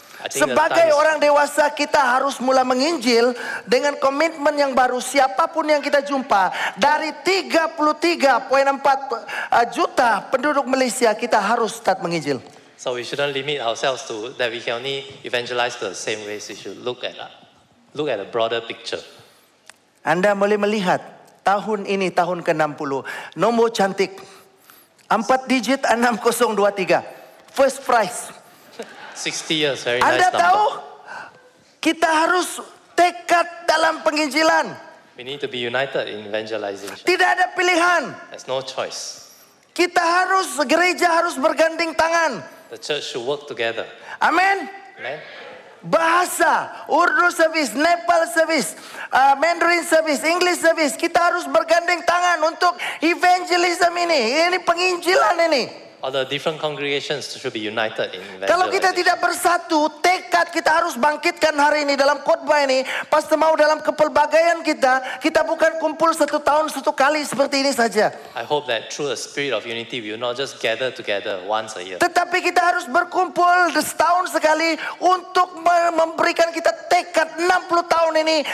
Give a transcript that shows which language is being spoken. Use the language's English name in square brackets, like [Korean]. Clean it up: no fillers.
[Malay] Sebagai orang dewasa, kita harus mulai menginjil dengan komitmen yang baru. Siapapun yang kita jumpa, dari 33.4 juta penduduk Malaysia, kita harus start menginjil. [English] So we shouldn't limit ourselves to that we can only evangelize the same way. We should look at a broader picture. [Malay] Anda boleh melihat tahun ini tahun ke-60. Nombor cantik. 4 digit 6023. [English] First prize. 60 years, very [Malay] Anda [English] nice number. [Malay] Tahu, kita harus tekad dalam penginjilan. [English] We need to be united in evangelization. [Malay] Tidak ada pilihan. [English] There's no choice. [Malay] Kita harus, gereja harus berganding tangan. [English] The church should work together. Amen. Amen. Bahasa, Urdu service, Nepal service, Mandarin service, English service. [Malay] Kita harus berganding tangan untuk evangelism ini. Ini penginjilan ini. [English] All the different congregations should be united in evangelism. [Malay] Kalau kita tidak bersatu, tekad kita harus bangkitkan hari ini dalam khotbah ini. Pastor mau dalam kepelbagaian kita, kita bukan kumpul satu tahun satu kali seperti ini saja. [English] I hope that through the spirit of unity, we will not just gather together once a year. [Malay] Tetapi kita harus berkumpul setahun sekali untuk memberikan kita tekad 60 tahun ini.